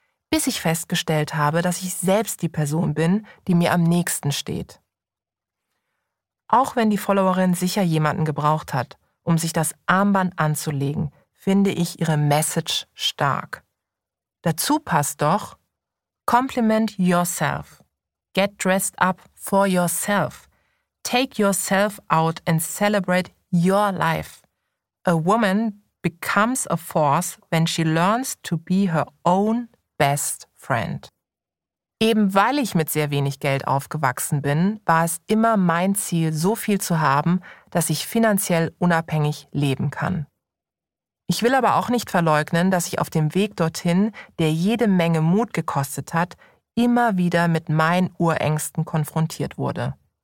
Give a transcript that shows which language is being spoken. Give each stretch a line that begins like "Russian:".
German: Bis ich festgestellt habe, dass ich selbst die Person bin, die mir am nächsten steht. Auch wenn die Followerin sicher jemanden gebraucht hat, um sich das Armband anzulegen, finde ich ihre Message stark. Dazu passt doch:
English: Compliment yourself. Get dressed up for yourself. Take yourself out and celebrate your life. A woman becomes a force when she learns to be her own best friend.
German: Eben weil ich mit sehr wenig Geld aufgewachsen bin, war es immer mein Ziel, so viel zu haben, dass ich finanziell unabhängig leben kann. Ich will aber auch nicht verleugnen, dass ich auf dem Weg dorthin, der jede Menge Mut gekostet hat, immer wieder mit meinen Urängsten konfrontiert wurde.